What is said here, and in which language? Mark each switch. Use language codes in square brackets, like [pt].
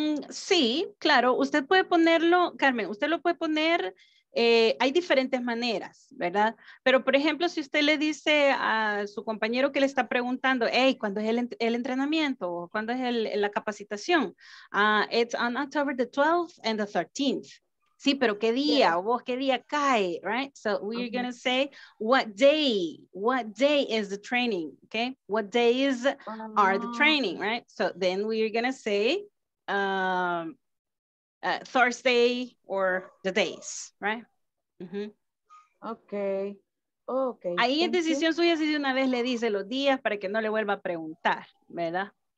[es] Sí, claro, usted puede ponerlo, Carmen, usted lo puede poner, hay diferentes maneras, ¿verdad? Pero, por ejemplo, si usted le dice a su compañero que le está preguntando, hey, ¿cuándo es el entrenamiento? ¿Cuándo es la capacitación? [en] It's on October the 12th and the 13th. [es] Sí, pero ¿qué día? Yeah. ¿Vos qué día cae? Right? [en] So we're going to say, what day is the training? Okay? What days are the training? Right? So then we're going to say, Thursday or the days, right? Mm-hmm. Okay. Oh, okay. [es] Ahí en decisión suya, si de una vez le dice los días para que no le vuelva a preguntar, ¿verdad?